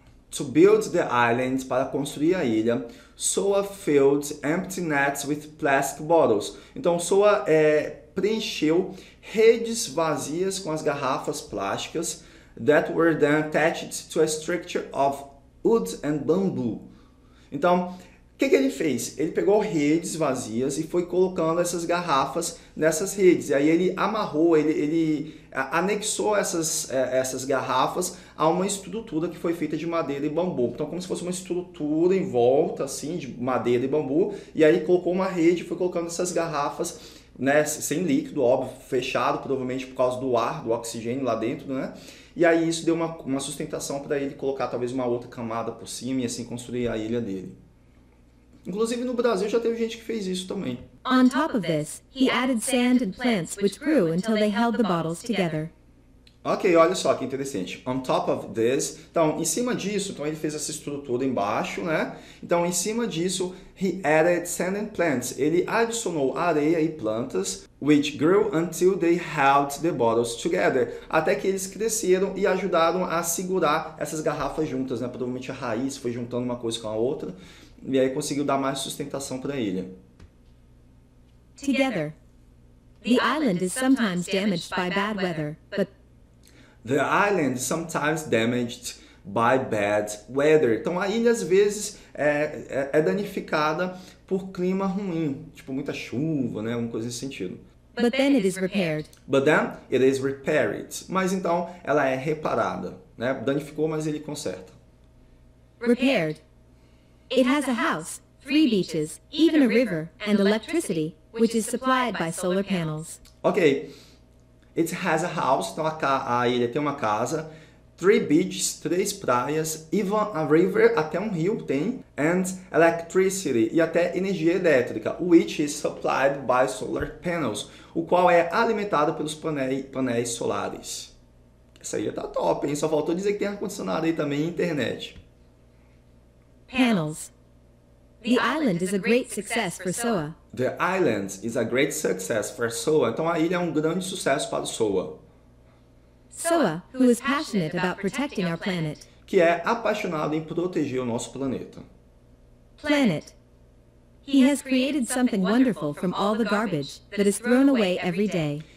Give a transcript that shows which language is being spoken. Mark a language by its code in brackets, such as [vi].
[en] To build the island, [pt] para construir a ilha, [en] Soa filled empty nets with plastic bottles. [pt] Então, Soa preencheu redes vazias com as garrafas plásticas [en] that were then attached to a structure of wood and bamboo. [pt] Então, o que ele fez? Ele pegou redes vazias e foi colocando essas garrafas nessas redes. E aí ele amarrou, ele anexou essas garrafas a uma estrutura que foi feita de madeira e bambu. Então, como se fosse uma estrutura em volta, assim, de madeira e bambu. E aí colocou uma rede e foi colocando essas garrafas, né, sem líquido, óbvio, fechado, provavelmente por causa do ar, do oxigênio lá dentro, né? E aí isso deu uma sustentação para ele colocar talvez uma outra camada por cima e assim construir a ilha dele. Inclusive no Brasil já teve gente que fez isso também. [en] On top of this, he added sand and plants which grew until they held the bottles together. [pt] Ok, olha só que interessante. [en] On top of this. [pt] Então, em cima disso, então ele fez essa estrutura embaixo, né? Então, em cima disso, [en] he added sand and plants. [pt] Ele adicionou areia e plantas, [en] which grew until they held the bottles together. [pt] Até que eles cresceram e ajudaram a segurar essas garrafas juntas, né? Provavelmente a raiz foi juntando uma coisa com a outra. E aí conseguiu dar mais sustentação para ele. [en] Together. The island is sometimes damaged by bad weather, but... The island is sometimes damaged by bad weather. [pt] Então, a ilha, às vezes, é danificada por clima ruim. Tipo, muita chuva, né? Alguma coisa nesse sentido. [en] But then it is repaired. But then it is repaired. [pt] Mas, então, ela é reparada. Né? Danificou, mas ele conserta. [en] Repaired. It has a house, three beaches, even a river, and electricity, which is supplied by solar panels. Ok. It has a house, [pt] então a ilha tem uma casa, [en] three beaches, [pt] três praias, [en] even a river, [pt] até um rio tem, [en] and electricity, [pt] e até energia elétrica, [en] which is supplied by solar panels, [pt] o qual é alimentado pelos painéis solares. Essa ilha tá top, hein? Só faltou dizer que tem ar-condicionado aí também e internet. [en] Panels. The island is a great success for SOA. The island is a great success for SOA. [pt] Então, a ilha é um grande sucesso para SOA. [en] SOA, who is passionate about protecting our planet. [pt] Que é apaixonado em proteger o nosso planeta. [en] Planet. He has created something wonderful from all the garbage that is thrown away every day.